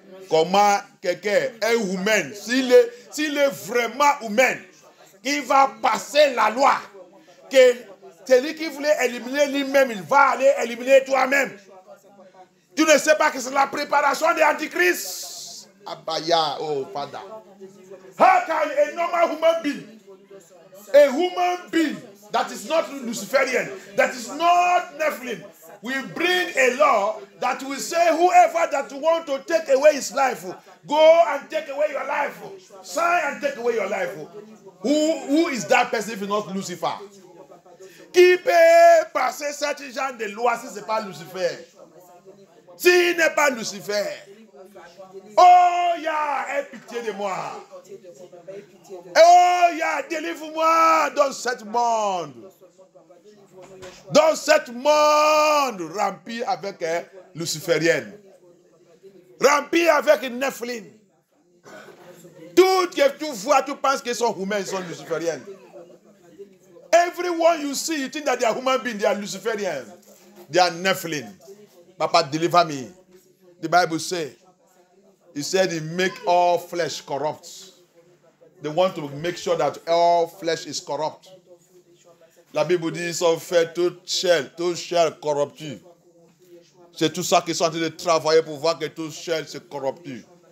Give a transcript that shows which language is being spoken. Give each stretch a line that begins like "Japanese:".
French: Comment quelqu'un est humain, s'il est vraiment humain, qui va passer la loi, que C'est lui qui voulait éliminer lui-même. Il va aller éliminer toi-même. Tu ne sais pas que c'est la préparation de l'Antichrist.
English: Abaya, oh Father. How can a normal human being, a human being that is not Luciferian, that is not Nephilim, will bring a law that will say whoever that wants to take away his life, go and take away your life. Sign and take away your life. Who is that person if not Lucifer?
French: Qui peut passer cette genre de loi si ce n'est pas Lucifer? Si il n'est pas Lucifer. Oh yeah, aie pitié de moi. Oh yeah, délivre-moi dans cette monde. Dans cette monde rempli avec Luciférienne. Rempli avec Nephilim. Tout ce que tu vois, tu penses qu'ils sont humains, ils sont Luciférienne.
English: Everyone you see, you think that they are human beings, they are Luciferian. They are Nephilim. Papa, deliver me. The Bible says, he said he make all flesh corrupt. They want to make sure that all flesh is corrupt.
French: La Bible dit, ils ont fait toute chair corruptue. C'est tout ça qu'ils sont en train de travailler pour voir que toute chair se corruptue.